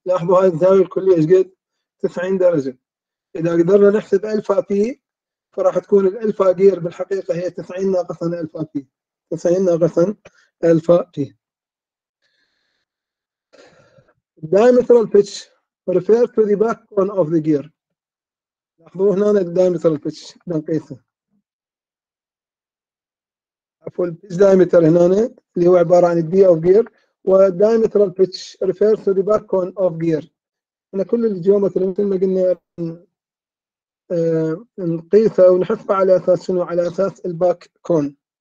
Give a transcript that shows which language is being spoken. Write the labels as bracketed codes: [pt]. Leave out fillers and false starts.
[ar] لاحظوا هاي الزاوية الكلية ايش قد؟ 90 درجة. اذا قدرنا نحسب الفا بي فراح تكون الالفا جير بالحقيقة هي 90 ناقصا الفا بي، 90 ناقصا الفا بي. [en] Diametral pitch refer to the back cone of the gear. [ar] لاحظوا هنا الديامترال pitch بنقيسه. عفوا pitch diameter هنا اللي هو عبارة عن الدي اوف جير، والديامترال [en] pitch refer to the back cone of gear. [ar] احنا كل الجيومتري مثل ما قلنا نقيسه ونحسبه على اساس شنو؟ على اساس الباك كون.